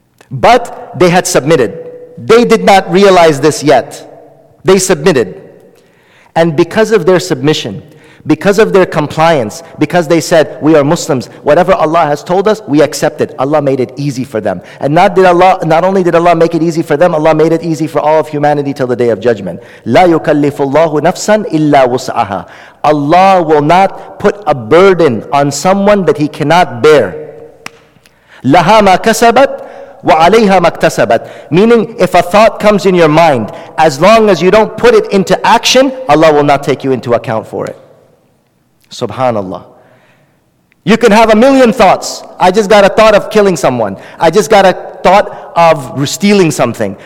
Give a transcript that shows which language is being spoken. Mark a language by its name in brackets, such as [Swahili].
[English] But they had submitted. They did not realize this yet. They submitted. And because of their submission, because of their compliance, because they said, we are Muslims, whatever Allah has told us, we accept it. Allah made it easy for them. And not only did Allah make it easy for them, Allah made it easy for all of humanity till the day of judgment. [Arabic] لا يكلف الله نفسا إلا وسعها. [English] Allah will not put a burden on someone that He cannot bear. [Arabic] لها ما كسبت وَعَلَيْهَا مَكْتَسَبَتْ. [English] Meaning, if a thought comes in your mind, as long as you don't put it into action, Allah will not take you into account for it. Subhanallah. You can have a million thoughts. I just got a thought of killing someone. I just got a thought of stealing something.